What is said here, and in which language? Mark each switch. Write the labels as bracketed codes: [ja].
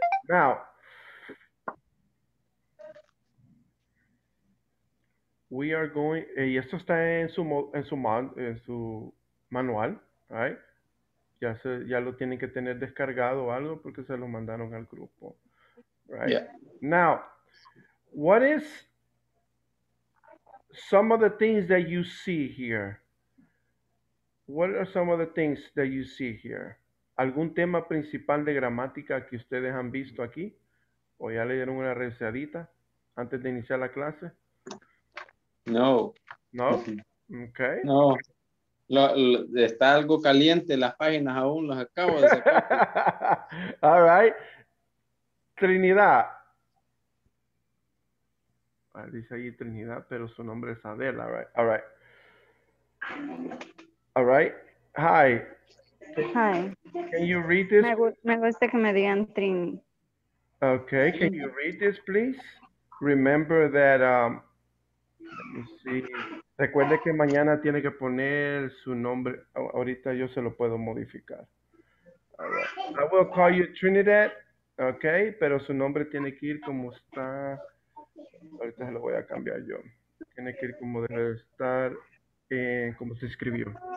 [en] Now, we are going, [es] y esto está en su manual, right? Ya lo tienen que tener descargado o algo porque se lo mandaron al grupo, right? [en] Yeah. Now, what is some of the things that you see here? What are some of the things that you see here? [es] ¿Algún tema principal de gramática que ustedes han visto aquí? ¿O ya le dieron una revisadita antes de iniciar la clase? No. No? Okay. No. Está algo caliente, las páginas aún las acabo de sacar. [en] All right. Trinidad. [es] Ah, dice ahí Trinidad, pero su nombre es Adela. [en] All right. All right. All right. Hi. Hi. Can you read this? [es] Me gusta que me digan Trini. [en] Okay. Can you read this, please? Remember that... Let me see. [es] Recuerde que mañana tiene que poner su nombre. Ahorita yo se lo puedo modificar. [en] All right. I will call you Trinidad, okay? [es] Pero su nombre tiene que ir como está. Ahorita se lo voy a cambiar yo. Tiene que ir como debe estar, en como se escribió.